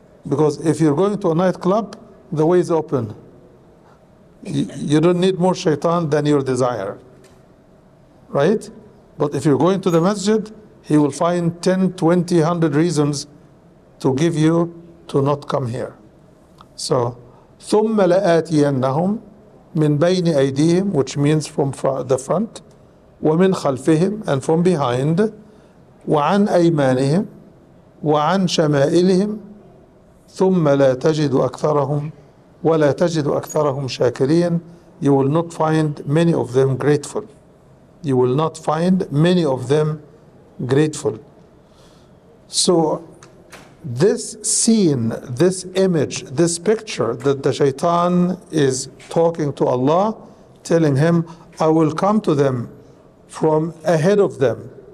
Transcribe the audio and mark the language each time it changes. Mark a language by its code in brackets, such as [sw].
[en] Because if you're going to a nightclub, the way is open. You don't need more shaitan than your desire. Right? But if you're going to the masjid, he will find 10, 20, 100 reasons to give you to not come here. [ar] So, ثُمَّ لَآتِيَنَّهُمْ مِنْ بَيْنِ أَيْدِيهِمْ, [en] which means from the front, [ar] وَمِنْ خَلْفِهِمْ, [en] and from behind, [ar] وَعَنْ أَيْمَانِهِمْ وَعَنْ شَمَائِلِهِمْ ثُمَّ لَا تَجِدُ أَكْثَرَهُمْ وَلَا تَجِدُ أَكْثَرَهُمْ شَاكِرِينَ. [en] You will not find many of them grateful. You will not find many of them grateful. So this scene, this image, this picture that the shaitan is talking to Allah, telling him, I will come to them from ahead of them.